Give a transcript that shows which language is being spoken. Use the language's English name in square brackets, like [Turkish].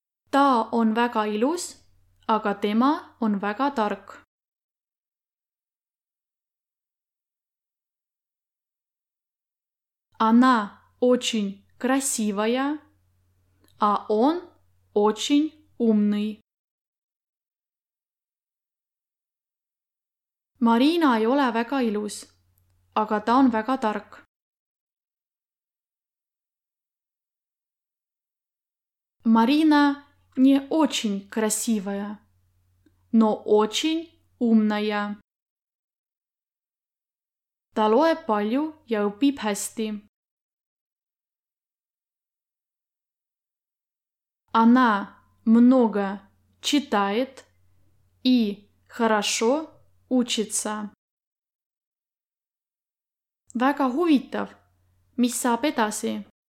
[Estonian] Ta on väga ilus, aga tema on väga tark. [Russian] Она очень красивая, а он очень умный. [Estonian] Marina ei ole väga ilus, aga ta on väga tark. [Russian] Marina не очень красивая, но очень умная. [Estonian] Ta loeb palju ja õpib hästi. [Russian] Она много читает и хорошо учится. [Estonian] Väga huvitav, mis saab edasi?